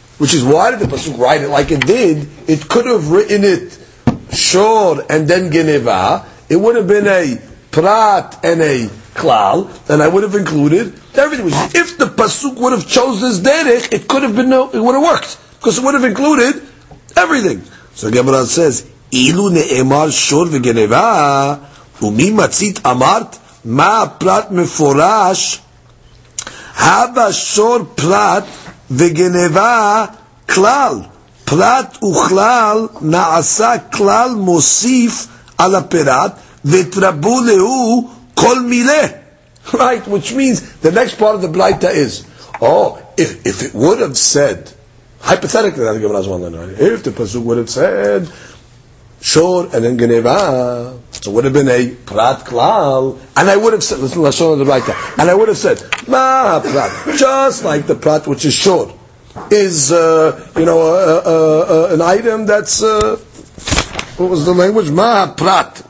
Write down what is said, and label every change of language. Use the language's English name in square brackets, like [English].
[English] Which is, why did the pasuk write it like it did? It could have written it Shor and then Geneva. It would have been a prat and a klal, and I would have included everything. Which, if the pasuk would have chosen this derech, it could have been it would have worked because it would have included everything. So Gemara says, [Hebrew] ilu ne'emar Shor v'Geneva. ומי מצית אמרת מה פרט מפורש הבא שור פרט וגנבה כלל פרט וכלל נעשה כלל מוסיף על הפרט ותרבו להו כל מילה. [English] Right, which means the next part of the blaita is, oh, if it would have said, hypothetically, that's what I was wondering, if the pasuk would have said Shor and then Geneva, so it would have been a prat klal, and I would have said, listen, lashon on the right there, and I would have said, ma prat, just like the prat which is Shor, is an item that's what was the language? Ma prat.